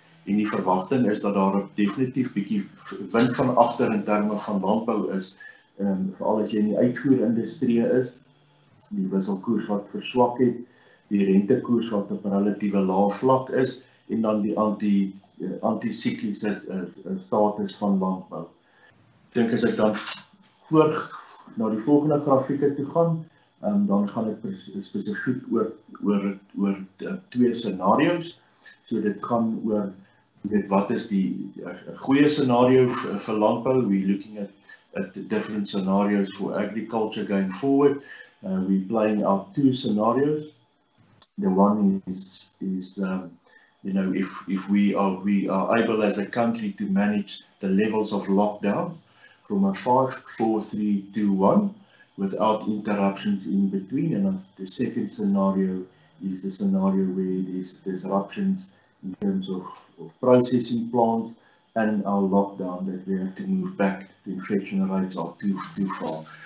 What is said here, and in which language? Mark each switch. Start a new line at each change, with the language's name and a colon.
Afrikaans: En die verwagting is dat daar definitief bietjie wind van agter in terme van landbou is, veral as jy in die uitvoerindustrie is, die wisselkoers wat verswak het, die rentekoers wat op 'n relatiewe lae vlak is en dan die anti-sikliese status van landbou. Ek dink as ek dan voor na die volgende grafieke toe gaan, dan gaan ek spesifiek oor twee scenario's. So dit gaan oor dit wat is die goeie scenario vir landbou.
English: We're looking at different scenarios for agriculture going forward. We're playing out two scenarios. The one is you know, if we are able as a country to manage the levels of lockdown from a 5-4-3-2-1 without interruptions in between, and the second scenario is the scenario where there's disruptions in terms of processing plants and our lockdown that we have to move back to infection rates are too far.